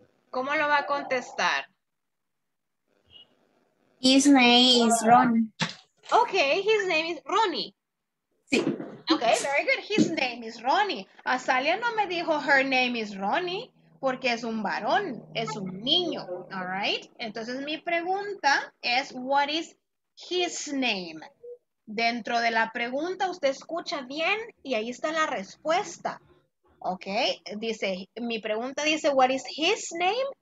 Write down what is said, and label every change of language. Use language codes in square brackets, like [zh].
[es] ¿Cómo lo va a contestar? [en] His name is Ronnie. Okay, his name is Ronnie. [es] Sí. [en] Okay, very good. His name is Ronnie. [es] Azalia no me dijo [en] her name is Ronnie [es] porque es un varón, es un niño. [en] All right? [es] Entonces mi pregunta es, [en] what is his name? [es] Dentro de la pregunta usted escucha bien y ahí está la respuesta. [en] Okay? [es] Dice, mi pregunta dice, [en] what is his name?